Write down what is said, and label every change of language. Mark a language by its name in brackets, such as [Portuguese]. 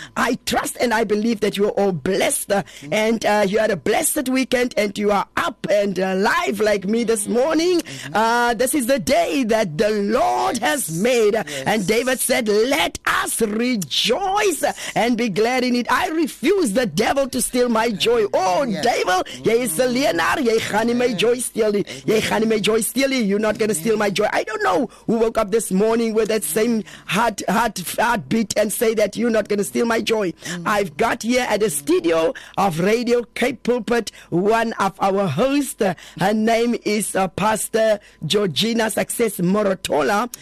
[English] I trust and I believe that you are all blessed. And you had a blessed weekend and you are up and alive like me this morning. This is the day that the Lord has made. Yes. And David said, let us rejoice and be glad in it. I refuse the devil to steal my joy. Oh, yes. [Afrikaans] Devil, jy is 'n leenaar. Jy gaan nie my joy steal nie. Jy gaan nie my joy steal nie. [English] You're not going to steal my joy. I don't know who woke up this morning with that same heartbeat and say that you're not going to steal my joy. I've got here at the studio of Radio Cape Pulpit one of our hosts. Her name is Pastor Georgina Success Morotola.